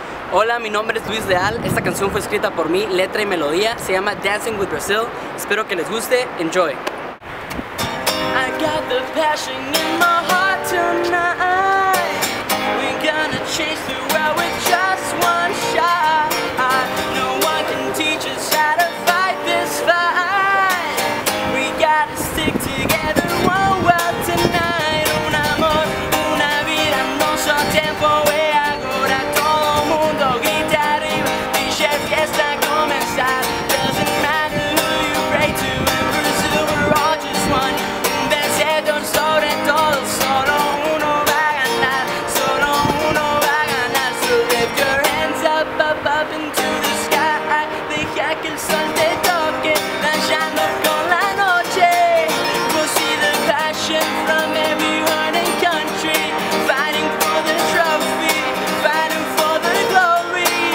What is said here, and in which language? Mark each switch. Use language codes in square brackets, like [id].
[es] Hola, mi nombre es Luis Leal. Esta canción fue escrita por mí, letra y melodía. Se llama Dancing with Brazil. Espero que les guste. [en] Enjoy. I got the passion in my heart tonight. We're gonna chase the world with just one shot. No one can teach us how to fight this fight. We gotta stick together one world tonight. [es] Un amor, una vida, no son tiempo. Y ahora todo mundo grita arriba. Dice fiesta comenzar. [en] Doesn't matter who you pray to. In Brazil we're all just one. [es] Sobre todo, solo uno va a ganar. Solo uno va a ganar. [en] So lift your hands up, up, up into the sky. [es] Deja que el sol te toque, danzando con la noche. [en] We'll see the passion from everyone in country. Fighting for the trophy, fighting for the glory.